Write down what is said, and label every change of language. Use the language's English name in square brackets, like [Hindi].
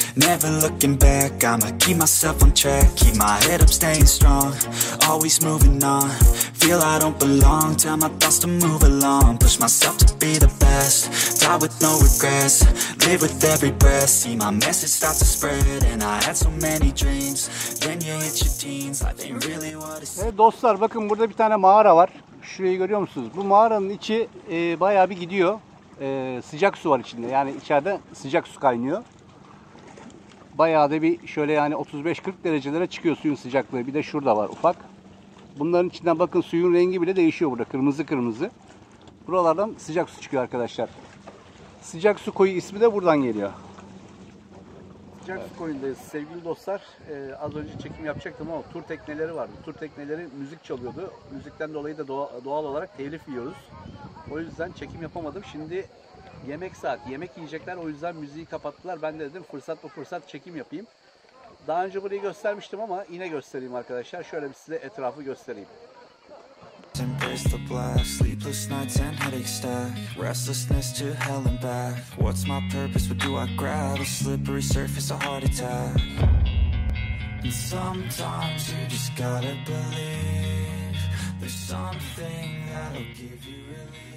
[English] Never looking back, I'ma keep myself on track. Keep my head up, staying strong, always moving on. Feel I don't belong, tell my thoughts to move along. Push myself to be the best, die with no regrets. Live with every breath, see my message start to spread. And I had so many dreams, then you hit your teens. Life ain't really what it's... [Turkish] Evet dostlar, bakın burada bir tane mağara var. Şurayı görüyor musunuz? Bu mağaranın içi bayağı bir gidiyor. Sıcak su var içinde, yani içeride sıcak su kaynıyor. Bayağı da bir şöyle yani 35-40 derecelere çıkıyor suyun sıcaklığı. Bir de şurada var ufak. Bunların içinden bakın suyun rengi bile değişiyor burada. Kırmızı kırmızı. Buralardan sıcak su çıkıyor arkadaşlar. Sıcak su koyu ismi de buradan geliyor. Sıcak su koyundayız sevgili dostlar. Az önce çekim yapacaktım ama tur tekneleri vardı. Tur tekneleri müzik çalıyordu. Müzikten dolayı da doğal olarak telif yiyoruz. O yüzden çekim yapamadım. Şimdi yemek saati. Yemek yiyecekler. O yüzden müziği kapattılar. Ben de dedim fırsat bu fırsat çekim yapayım. Daha önce burayı göstermiştim ama yine göstereyim arkadaşlar. Şöyle bir size etrafı göstereyim. [English] Embrace the blast, sleepless nights and headache stack. Restlessness to hell and back. What's my purpose? What do I grab? A slippery surface, a heart attack. And sometimes you just gotta believe there's something that'll give you relief.